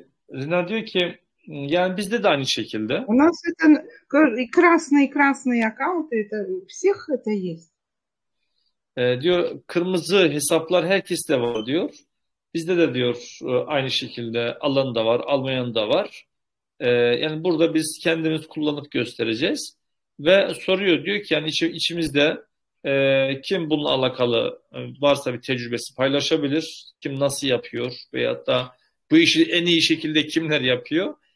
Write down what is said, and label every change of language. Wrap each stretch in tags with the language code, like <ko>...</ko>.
<tr>Rina diyor ki, yani bizde de aynı şekilde.</tr> <ru>У нас это красные аккаунты, это всех это есть.</ru> <tr>Diyor, kırmızı hesaplar herkeste var diyor. Bizde de diyor aynı şekilde alan da var, almayan da var. Yani burada biz kendimiz kullanıp göstereceğiz ve soruyor diyor ki yani içimizde kim bununla alakalı varsa bir tecrübesi paylaşabilir, kim nasıl yapıyor veyahut da bu işi en iyi şekilde kimler yapıyor?</tr>